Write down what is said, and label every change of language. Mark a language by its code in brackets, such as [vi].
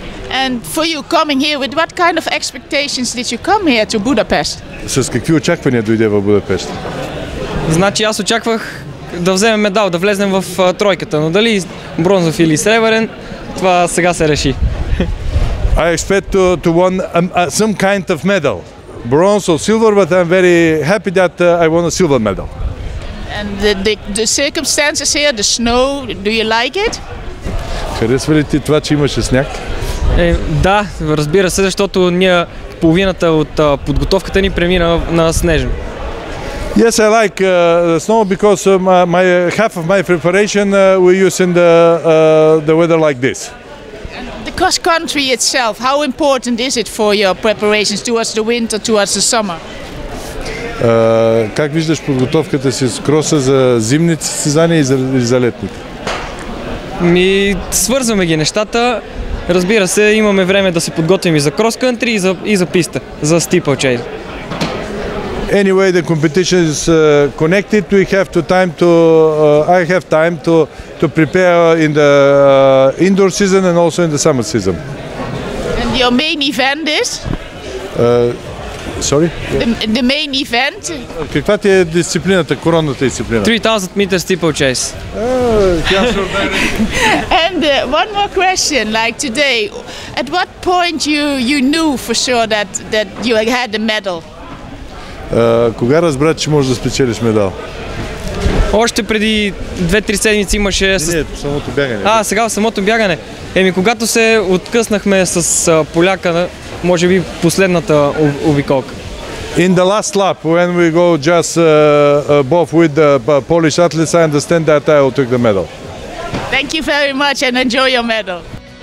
[en] And for you coming here, with what kind of expectations did you come here to Budapest? [bg] С какви очаквания дойде в Будапешт? Значи аз очаквах да вземем медал, да влезем в тройката, но дали бронзов или сребърен, това сега се реши. [en] I expect to win some kind of medal, bronze or silver, but I'm very happy that I won a silver medal. And the circumstances here, the snow, do you like it? [bg] Харесва ли ти това, че имаше сняг? Да, разбира се, защото ние половината от подготовката ни премина на снежно. [en] Yes, I like the snow because my half of my preparation we use in the weather like this. The cross country itself, how important is it for your preparations towards the winter, towards the summer? [bg] Как виждаш подготовката си с кроса за зимните състезания и за летните? Ми свързваме ги нещата. Разбира се, имаме време да се подготвим и за крос кантри, и за писта, за стипълчейн. [en] Anyway, the competition is connected. We have to time to I have time to prepare in the indoor season and also in the summer season. And your main event is? Sorry? The main event? [bg] Каква ти е дисциплината, коронната дисциплина? [en] 3000 meters steeplechase. And one more question, like today, at what point you knew for sure that you had the medal? [bg] Кога разбра, че можеш да спечелиш медал? Още преди 2-3 седмици имаше... Не, самото бягане. А, сега в самото бягане. Еми, когато се откъснахме с поляка, може би последната обиколка. [en] In the last lap, when we go just both with the Polish athletes, I understand that I will take the medal. Thank you very much and enjoy your medal.